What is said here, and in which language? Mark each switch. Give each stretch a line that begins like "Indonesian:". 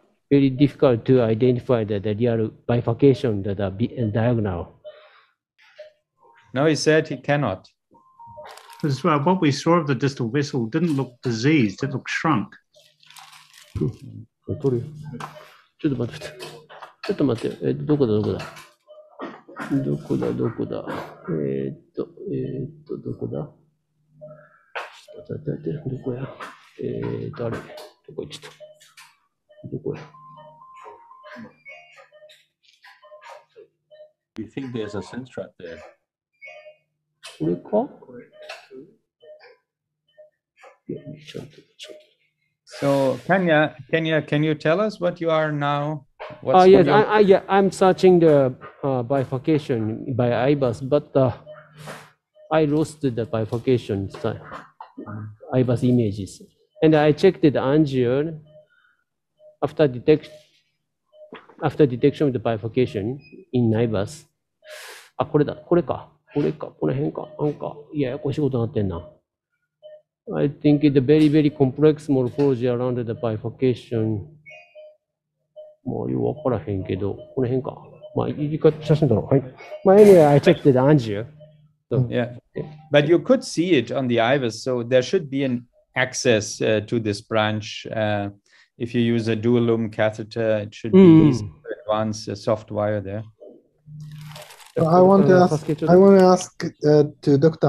English: Very difficult to identify the real bifurcation, the diagonal. No, he said he cannot. As well, what we saw of the distal vessel didn't look diseased, it looked shrunk.
Japanese: ちょっと待って、ちょっと待って、どこだ、どこだ。どこだ、どこだ。どこだ。ちょっと待って、どこや。あれ、どこ行った。どこや。
English: You think there's a sense trap there?
Japanese: これか?
English: Yeah, so, Kenya, Kenya, can you tell us what you are now? Yes, I'm searching the bifurcation by IBUS, but I lost the bifurcation time, IBUS images. And I checked the angio after detection of the bifurcation in IBUS.
Japanese: あ、これだ、これか、これか、この辺か、なんか、いや、ややこしいことになってんな。
English: I think it's a very, very complex morphology around the bifurcation.
Japanese: まあ、よくわからへんけど、この辺か。まあ、一回写真だろう。はい。
English: まあ、anyway, I checked it, Angio. So, yeah. But you could see it on the IVUS, so there should be an access to this branch. If you use a dual lumen catheter, it should be easy to advance a soft wire there. I want to ask to Dr.